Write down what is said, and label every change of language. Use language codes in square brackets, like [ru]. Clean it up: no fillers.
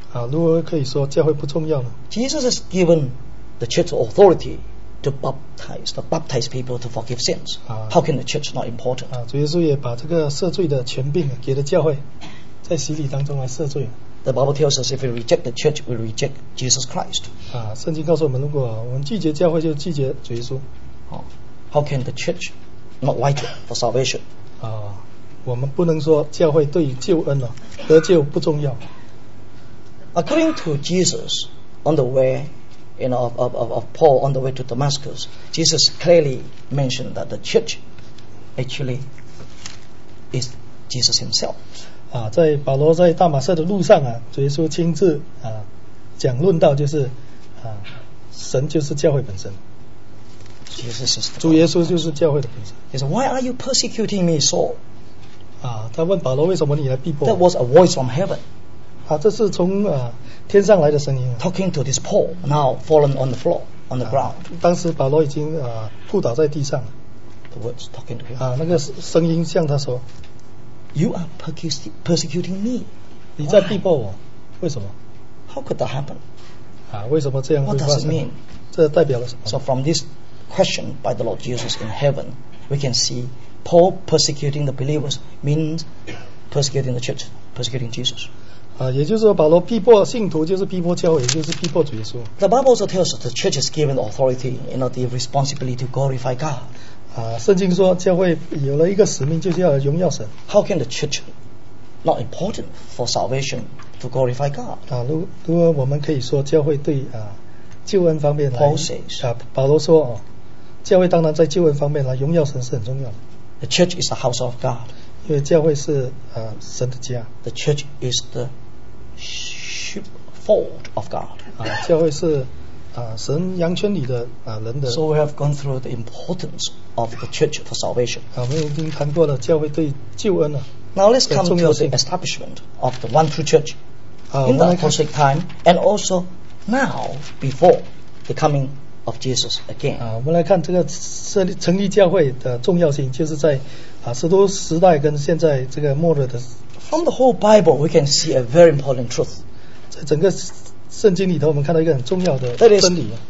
[zh] 如何可以说教会不重要呢 [en] ？Jesus has given the church authority to baptize people to forgive sins. How can the church not important? [zh] 耶稣也把这个赦罪的权柄给了教会，在洗礼当中来赦罪。 [en] The Bible tells us if we reject the church, we reject Jesus Christ. [zh] 圣经告诉我们，如果我们拒绝教会，就拒绝主耶稣。 [en] How can the church not vital for salvation? [zh] 我们不能说教会对救恩得救不重要。 [en] According to Jesus, on the way, you know, of Paul on the way to Damascus, Jesus clearly mentioned that the church actually is Jesus Himself. [zh] 在保罗在大马色的路上主耶稣亲自讲论到就是神就是教会本身。主耶稣就是教会的本身。 [en] He said, "Why are you persecuting me, Saul?" [zh] 他问保罗为什么你来逼迫我 [en] ？That was a voice from heaven. [zh] 这是从天上来的声音。 [en] Talking to this Paul now fallen on the floor, on the ground. [zh] 当时保罗已经扑倒在地上。 [en] The words talking to him. [zh] 那个声音向他说 [en] ，You are persecuting me. [zh] 你在逼迫我，为什么 [en] ？How could that happen? [zh] 为什么这样会发生 [en] ？What does it mean? [zh] 这代表了什么 [en] ？So from this. Questioned by the Lord Jesus in heaven, we can see Paul persecuting the believers means persecuting the church, persecuting Jesus. [zh] 也就是说，保罗逼迫信徒就是逼迫教会，也就是逼迫主耶稣。 [en] The Bible also tells us the church is given authority, you know, the responsibility to glorify God. [zh] 圣经说教会有了一个使命，就是要荣耀神。 [en] How can the church not important for salvation to glorify God? [zh] 如果我们可以说教会对救恩方面保罗说教会当然在救恩方面来荣耀神是很重要的 [en] The church is the house of God [zh] 因为教会是神的家 [en] The church is the sheepfold of God [zh] 教会是神羊圈里的人的 [en] So we have gone through the importance of the church for salvation [zh] 我们已经谈过了教会对救恩 [en] Now let's come to the establishment of the one true church in the apostolic time and alsoNow, before the coming of Jesus again. [zh] 我们来看这个成立教会的重要性，就是在使徒时代跟现在这个末日的 [en] From the whole Bible, we can see a very important truth. [zh] 在整个圣经里头，我们看到一个很重要的真理。